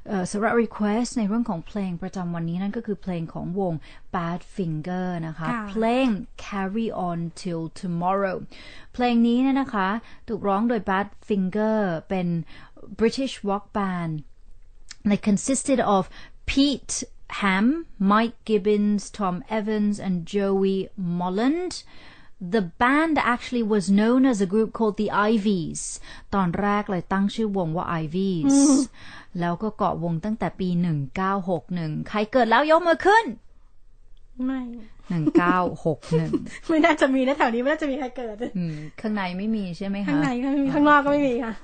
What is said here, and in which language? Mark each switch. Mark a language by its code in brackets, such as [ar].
[th] สำหรับรีเควสต์ในเรื่องของเพลงประจำวันนี้นั่นก็คือเพลงของวง Bad Finger นะคะเพลง Carry On Till Tomorrow เพลงนี้นะคะถูกร้องโดย Bad Finger เป็น British Rock Band [en] They consisted of Pete Ham, Mike Gibbons, Tom Evans and Joey Molland The band actually was known as a group called the Ivies. [th] ตอนแรกเลยตั้งชื่อวงว่า Ivies. แล้วก็เกาะวงตั้งแต่ปี1961. ใครเกิดแล้วยกมือขึ้น ไม่1961 ไม่น่าจะมีนะแถวนี้ไม่น่าจะมีใครเกิด ข้างในไม่มีใช่ไหมคะ ข้างในก็ไม่มีข้างนอกก็ไม่มีค่ะ